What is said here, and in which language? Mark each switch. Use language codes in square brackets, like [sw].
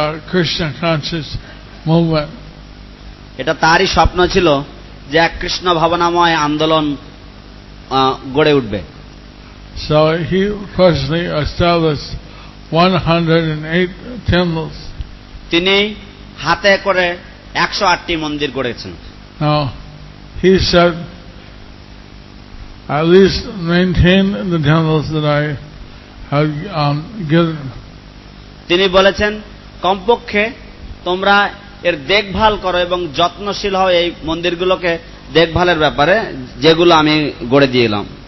[en] Krishna conscious movement. [bn] এটা তারই স্বপ্ন ছিল যে এক কৃষ্ণ ভাবনাময় আন্দোলন গড়ে উঠবে. [en] So he personally established 108 temples. [bn] তিনি হাতে করে 108টি মন্দির গড়েছেন. [en] Now he said, at least maintain the temples that I have given. [bn] তিনি বলেছেন কমপক্ষে তোমরা এর দেখভাল করো এবং যত্নশীল হও এই মন্দিরগুলোকে দেখভালের ব্যাপারে যেগুলো আমি গড়ে দিয়েলাম.